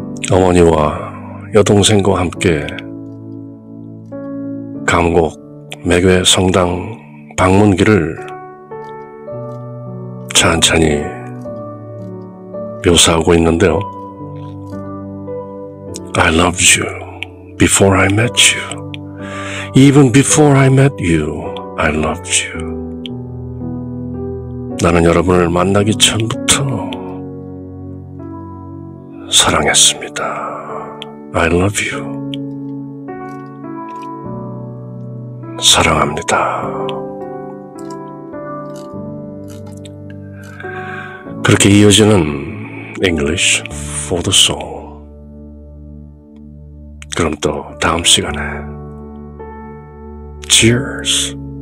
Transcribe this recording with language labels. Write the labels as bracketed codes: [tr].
[ko] 어머니와 여동생과 함께 감곡 매개 성당 방문길을 찬찬히 묘사하고 있는데요. [en] I loved you before I met you. Even before I met you, I loved you. [ko] 나는 여러분을 만나기 전부터 사랑했습니다. [en] I love you. [ko] 사랑합니다. 그렇게 이어지는 English for the soul. 그럼 또 다음 시간에. Cheers.